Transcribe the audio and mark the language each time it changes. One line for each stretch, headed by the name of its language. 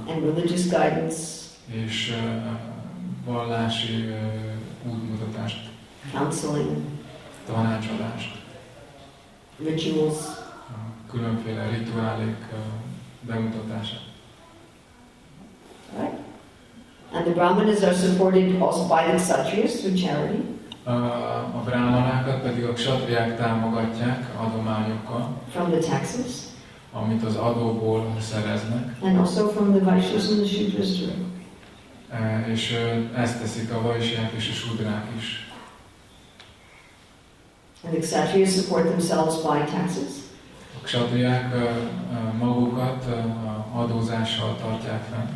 English: And religious guidance.
Hungarian: És vallási útmutatást.
English: Counseling.
Hungarian: Tanácsadást.
English: Rituals.
Hungarian: Különféle rituálék bemutatása.
English: Right. And the brahmanas are supported also by the kshatriyas through charity.
Hungarian: A brahmanákat pedig a kshatriák támogatják adományokkal.
English: From the taxes.
Hungarian: Amit az adóból szereznek.
English: And also from the vaishyas and the shudras too.
Hungarian: És ezt teszik a vaishyák és a shudrák is.
English: And the kshatriyas support themselves by taxes.
Hungarian: A kshatriák magukat adózással tartják fenn.